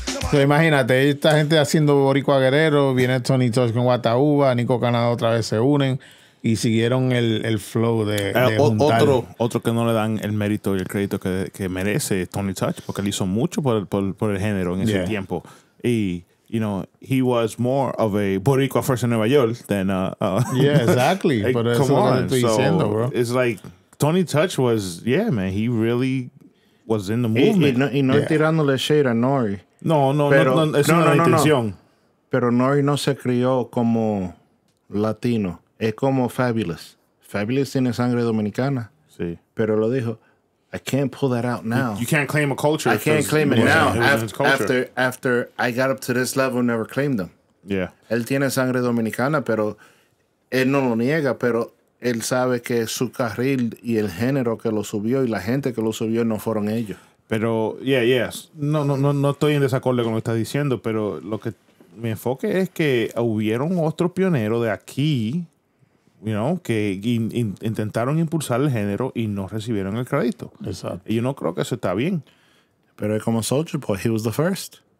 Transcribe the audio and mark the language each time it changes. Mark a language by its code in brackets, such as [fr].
[es] So, imagínate, esta gente haciendo Boricua Guerrero, viene Tony Touch con Guatauba, Nico Canadá otra vez se unen y siguieron el flow de otro que no le dan el mérito y el crédito que merece Tony Touch, porque él hizo mucho por el género en ese tiempo. [en] Y, you know, he was more of a Boricua first in Nueva York than exactly. Like, [es] pero come eso on. Lo estoy diciendo, bro. [en] It's like Tony Touch was, man, he really was in the movement. [es] Y no tirándole shade a Nori. No, es una intención. Pero Nori no se crió como latino. Es como Fabulous. Fabulous tiene sangre dominicana. Sí. Pero lo dijo, [en] I can't pull that out now. You can't claim a culture. I can't claim it now. After I got up to this level, never claimed them. Yeah. [es] Él tiene sangre dominicana, pero él no lo niega, pero él sabe que su carril y el género que lo subió y la gente que lo subió no fueron ellos. Pero, No estoy en desacuerdo con lo que estás diciendo, pero lo que mi enfoque es que hubieron otros pioneros de aquí, you know, que intentaron impulsar el género y no recibieron el crédito. Exacto. Y yo no creo que eso está bien. Pero es como [en] Soulja Boy, he was the first.